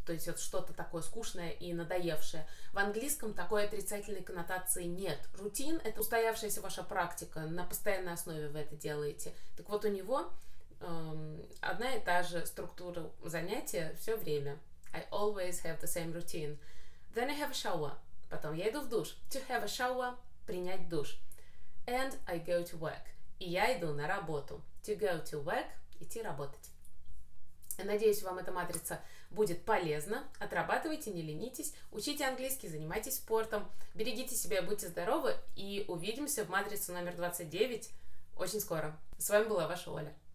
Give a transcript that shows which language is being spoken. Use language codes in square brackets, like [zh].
[ru] То есть это что-то такое скучное и надоевшее. В английском такой отрицательной коннотации нет. Рутин – это устоявшаяся ваша практика, на постоянной основе вы это делаете. Так вот, у него одна и та же структура занятия все время. [en] I always have the same routine. Then I have a shower. [ru] Потом я иду в душ. [en] To have a shower [ru] – принять душ. [en] And I go to work. [ru] И я иду на работу. [en] To go to work [ru] – идти работать. Надеюсь, вам эта матрица будет полезна. Отрабатывайте, не ленитесь. Учите английский, занимайтесь спортом. Берегите себя, будьте здоровы. И увидимся в матрице номер 29 очень скоро. С вами была ваша Оля.